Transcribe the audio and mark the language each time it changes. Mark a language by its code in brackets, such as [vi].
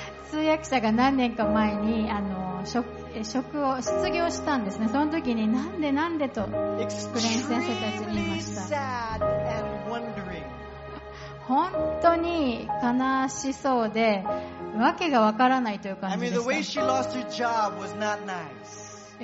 [ja] 通訳者が何年か前に職を失業したんですね。その時になんでとクレーン先生たちに言いました。 [en] Extremely sad and wondering. [ja] 本当に悲しそうで、わけがわからないという感じでした。 [en] I mean, the way she lost her job was not nice.